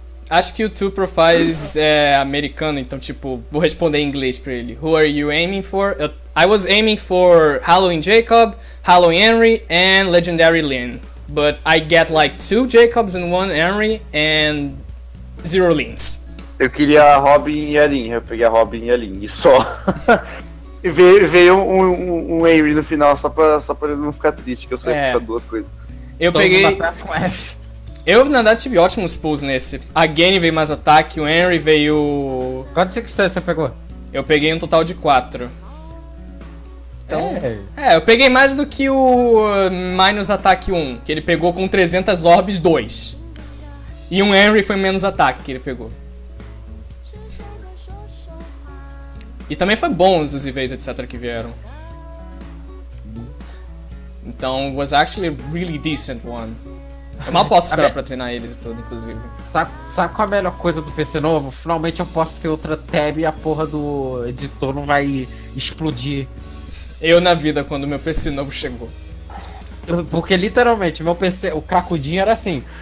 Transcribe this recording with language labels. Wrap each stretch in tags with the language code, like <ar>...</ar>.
<pt>Acho que o Two Profiles é americano, então, tipo, vou responder em inglês pra ele.</pt> <en>Who are you aiming for? I was aiming for Halloween Jacob, Halloween Henry, and Legendary Lin. But I get like 2 Jacobs and 1 Henry, and 0 Lins.</en> <pt>Eu queria a Robin e a Lin, eu peguei a Robin e a Lin, e só. E veio um Henry no final, só pra ele não ficar triste, que eu sei que tá duas coisas. Eu peguei... Eu, na verdade, tive ótimos pulls nesse. A Gany veio mais ataque, o Henry veio... Quantos sextantes você pegou? Eu peguei um total de 4. Então... É, eu peguei mais do que o Minus Ataque 1, que ele pegou com 300 orbs 2. E um Henry foi menos ataque que ele pegou. E também foi bons os EVs, etc, que vieram.</pt> <en>Então, was actually a really decent one.</en> <pt>Eu mal posso esperar pra treinar eles e tudo, inclusive. Sabe qual é a melhor coisa do PC novo? Finalmente eu posso ter outra tab e a porra do editor não vai explodir. Eu na vida, quando meu PC novo chegou. Porque literalmente, meu PC, o cracudinho era assim.</pt>